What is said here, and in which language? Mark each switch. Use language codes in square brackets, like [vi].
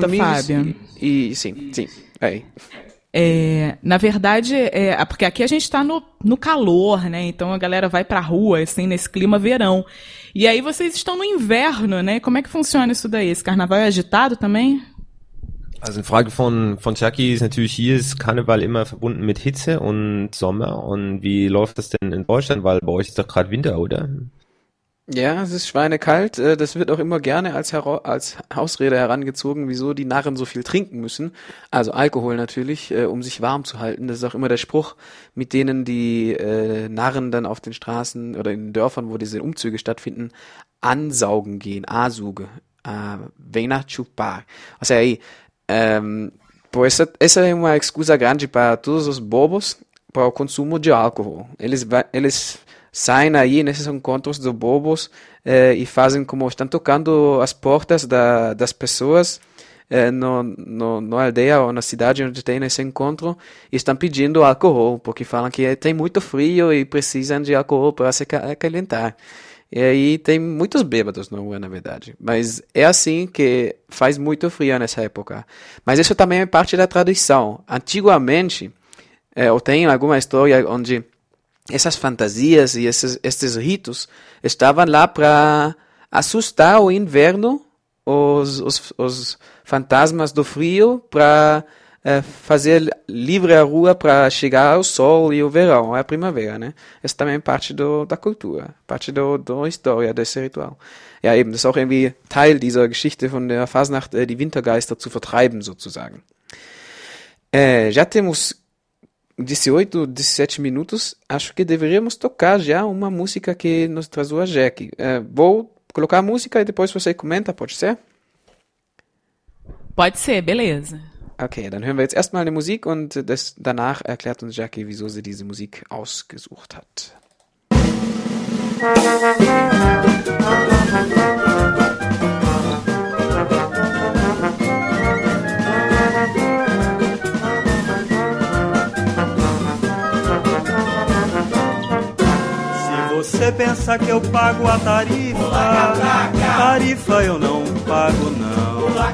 [pt] amigos. Sim. Aí. Na verdade, porque aqui a gente está no calor, né? Então a galera vai para a rua, assim, nesse clima verão. E aí vocês estão no inverno, né? Como é que funciona isso daí? Esse carnaval é agitado também? [de] Also eine Frage von Jackie ist natürlich, hier ist Karneval immer verbunden mit Hitze und Sommer. Und wie läuft das denn in Deutschland? Weil bei euch ist doch gerade Winter, oder? Ja, es ist schweinekalt. Das wird auch immer gerne als Ausrede herangezogen, wieso die Narren so viel trinken müssen. Also Alkohol natürlich, um sich warm zu halten. Das ist auch immer der Spruch, mit denen die Narren dann auf den Straßen oder in den Dörfern, wo diese Umzüge stattfinden, ansaugen gehen. Asuge. Weihnachtschupar. [pt] Also ey, essa é uma excusa grande para todos os bobos para o consumo de álcool. Eles saem aí nesses encontros dos bobos e fazem como estão tocando as portas das pessoas na aldeia ou na cidade onde tem esse encontro e estão pedindo álcool porque falam que tem muito frio e precisam de álcool para se acalentar. E aí tem muitos bêbados na rua, na verdade. Mas é assim que faz muito frio nessa época. Mas isso também é parte da tradição. Antigamente, eu tenho alguma história onde essas fantasias e esses ritos estavam lá para assustar o inverno, os fantasmas do frio, para fazer livre a rua para chegar ao sol e o verão, a primavera, né? Isso também é parte da cultura, parte da história desse ritual. [de] Ja, eben, das ist auch irgendwie Teil dieser Geschichte von der Fasnacht, die Wintergeister zu vertreiben, sozusagen. [pt] Já temos 18, 17 minutos. Acho que deveríamos tocar já uma música que nos traz o Jack. Vou colocar a música e depois você comenta, pode ser? Pode ser, beleza. [de] Okay, dann hören wir jetzt erstmal eine Musik und danach erklärt uns Jackie, wieso sie diese Musik ausgesucht hat. [pt] Se você pensa que eu pago a tarifa, tarifa eu não pago não.